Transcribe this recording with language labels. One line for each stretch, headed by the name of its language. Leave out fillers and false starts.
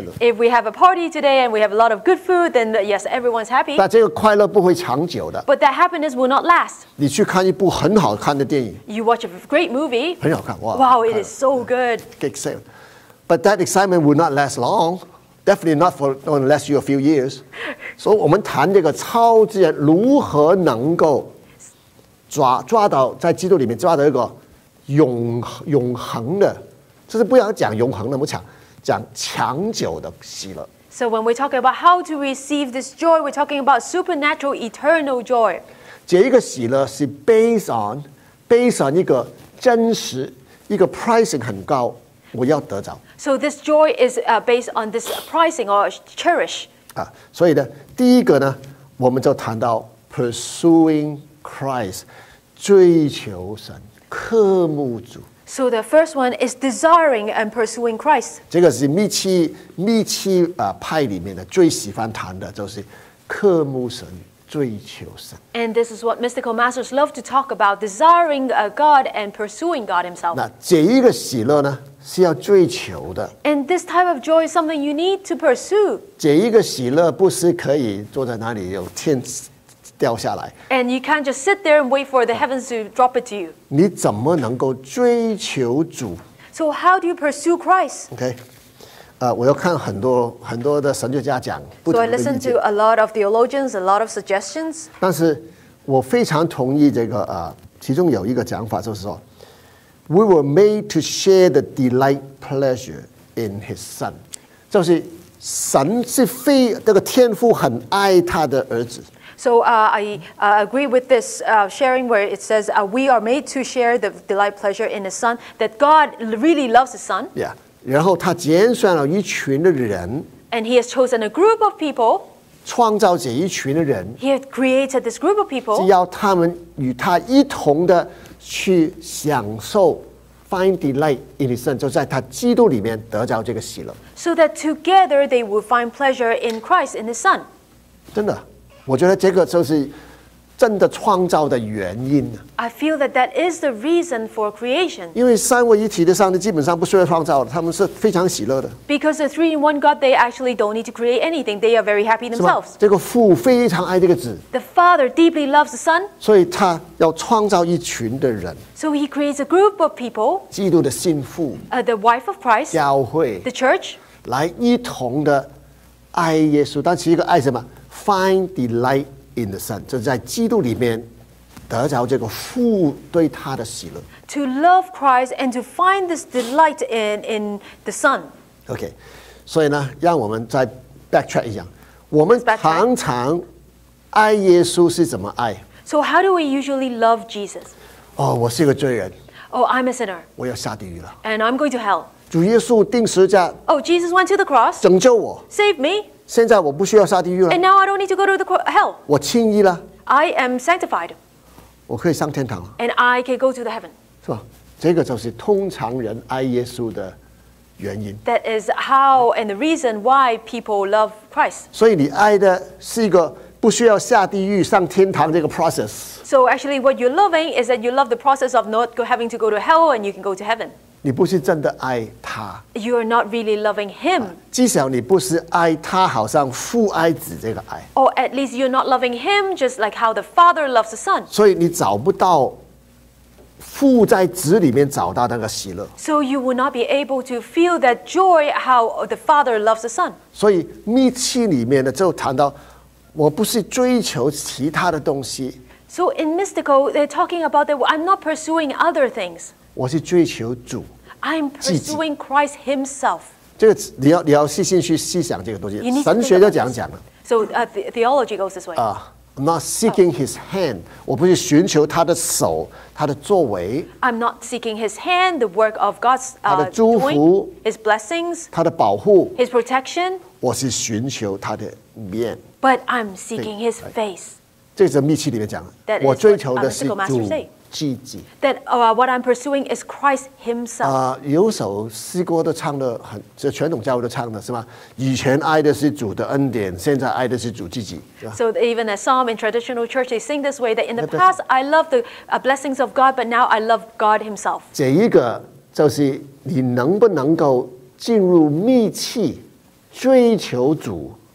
English: If we have a party today and we have a lot of good food, then yes, everyone's happy.
Chinese: 但这个快乐不会长久的。
English: But that happiness will not last.
Chinese: 你去看一部很好看的电影。
English: You watch a great movie.
Chinese: 很好看，哇。
English: Wow, it is so good. Get excited. But that excitement will not last long. Definitely not for unless you a few years.
Chinese: So, 我们谈这个超自然如何能够抓到在基督里面抓到一个永恒的，就是不要讲永恒那么长，讲长久的喜乐。
English: So, when we talk about how to receive this joy, we're talking about supernatural, eternal joy.
Chinese: 这一个喜乐是
English: based on
Chinese: 一个真实，一个 pricing 很高。我要得着。
English: So this joy is based on this pricing or cherish.
Chinese: 所以呢，第一个呢，我们就谈到
English: pursuing Christ,
Chinese: 追求神，渴慕主。
English: So the first one is desiring and pursuing Christ.
Chinese: 这个是密契派里面的最喜欢谈的，就是渴慕神。
English: And this is what mystical masters love to talk about, desiring God and pursuing God himself.
Chinese: 那这一个喜乐呢，是要追求的。
English: And this type of joy is something you need to pursue.
Chinese: 这一个喜乐不是可以坐在那里有天掉下来。
English: And you can't just sit there and wait for the heavens to drop it to you.
Chinese: 你怎么能够追求主？
English: So how do you pursue Christ? Okay.
Chinese: 我要看很多很多的神学家讲不同的意见。
English: So I listen to a lot of theologians, a lot of suggestions.
Chinese: 但是我非常同意这个其中有一个讲法就是说 ，
English: We were made to share the delight pleasure in His Son，
Chinese: 就是神是非这个天父很爱他的儿子。
English: So I agree with this sharing where it says we are made to share the delight pleasure in His Son that God really loves His Son. Yeah.
Chinese: 然后他拣选了一群的人
English: ，and he has chosen a group of people，
Chinese: 创造这一群的人
English: ，he has created this group of people，
Chinese: 是要他们与他一同的去享受 ，
English: find delight in his son，
Chinese: 就在他基督里面得着这个喜乐
English: ，so that together they will find pleasure in Christ in his son。
Chinese: 真的，我觉得这个就是真的创造的原因。
English: I feel that that is the reason for creation.
Chinese: 因为三位一体的上帝基本上不需要创造的，他们是非常喜乐的。
English: Because the three-in-one God, they actually don't need to create anything. They are very happy themselves.
Chinese: 这个父非常爱这个子。
English: The Father deeply loves the Son.
Chinese: 所以他要创造一群的人。
English: So he creates a group of people.
Chinese: 基督的信父。
English: The wife of Christ.
Chinese: 教会。
English: The church.
Chinese: 来一同的爱耶稣，但是一个爱什么 ？
English: Find delight in the Son，
Chinese: 就在基督里面得着这个父对他的喜乐。
English: To love Christ and to find this delight in the Son。
Chinese: OK， 所以呢，让我们再 backtrack 一下，我们常常爱耶稣是怎么爱
English: ？So how do we usually love Jesus？
Chinese: 哦，我是一个罪人。
English: Oh， I'm a sinner。
Chinese: 我要下地狱了。
English: And I'm going to hell。
Chinese: 主耶稣钉十字架。
English: Oh, Jesus went to the cross.
Chinese: 拯救我。
English: Save me.
Chinese: 现在我不需要下地狱了。
English: And now I don't need to go to the hell.
Chinese: 我清义了。
English: I am sanctified.
Chinese: 我可以上天堂了。
English: And I can go to the heaven.
Chinese: 是吧？这个就是通常人爱耶稣的原因。
English: That is how and the reason why people love Christ.
Chinese: 所以你爱的是一个不需要下地狱上天堂这个 process.
English: So actually, what you're loving is that you love the process of not having to go to hell and you can go to heaven.
Chinese: 你不是真的爱他。
English: You are not really loving him.
Chinese: 至少你不是爱他，好像父爱子这个爱。
English: Or at least you're not loving him just like how the father loves the son.
Chinese: 所以你找不到父在子里面找到那个喜乐。
English: So you will not be able to feel that joy how the father loves the son.
Chinese: 所以密契里面呢就谈到，我不是追求其他的东西。
English: So in mystical, they're talking about that I'm not pursuing other things.
Chinese: 我是追求主。
English: I'm pursuing Christ Himself.
Chinese: 这个你要细心去细想这个东西。神学就讲了。
English: So theology goes this way. I'm not seeking His hand.
Chinese: 我不是寻求他的手，他的作为。
English: I'm not seeking His hand, the work of God's.
Chinese: 他的祝福。
English: His blessings.
Chinese: 他的保护。
English: His protection.
Chinese: 我是寻求他的面。
English: But I'm seeking His face.
Chinese: 这是密契里面讲的。我追求的是主。
English: That what I'm pursuing is Christ Himself.
Chinese: 有首诗歌都唱的很，这传统教会都唱的是吗？以前爱的是主的恩典，现在爱的是主自己。
English: So even a psalm in traditional church, they sing this way that in the past I love the blessings of God, but now I love God Himself.
Chinese: 这一个就是你能不能够进入密契，追求主。